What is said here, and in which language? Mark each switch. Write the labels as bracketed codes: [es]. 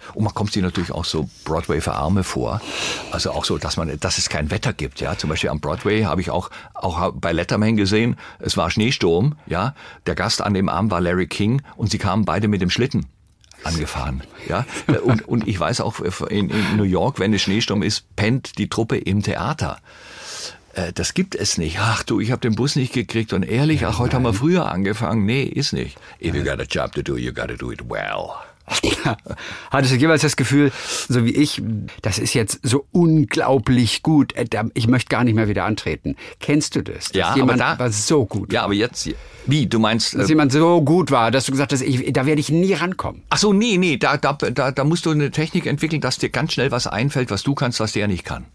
[de] Und man kommt sich natürlich auch so Broadway für Arme vor, also auch so, dass es kein Wetter gibt, ja, zum Beispiel am Broadway habe ich auch bei Letterman gesehen, es war Schneesturm, ja, der Gast an dem Abend war Larry King und sie kamen beide mit dem Schlitten angefahren, ja. Und ich weiß auch, in New York, wenn es Schneesturm ist, pennt die Truppe im Theater. Das gibt es nicht. Ach du, ich habe den Bus nicht gekriegt und ehrlich, heute haben wir früher angefangen. Nee, ist nicht. [en] If you got a job to do, you gotta do it well. [de] Hattest du jeweils das Gefühl, so wie ich, das ist jetzt so unglaublich gut, ich möchte gar nicht mehr wieder antreten. Kennst du das? Ja, jemand aber da, war so gut. Ja, aber jetzt, wie, du meinst? Dass jemand so gut war, dass du gesagt hast, da werde ich nie rankommen. Ach so, nee, da musst du eine Technik entwickeln, dass dir ganz schnell was einfällt, was du kannst, was der nicht kann.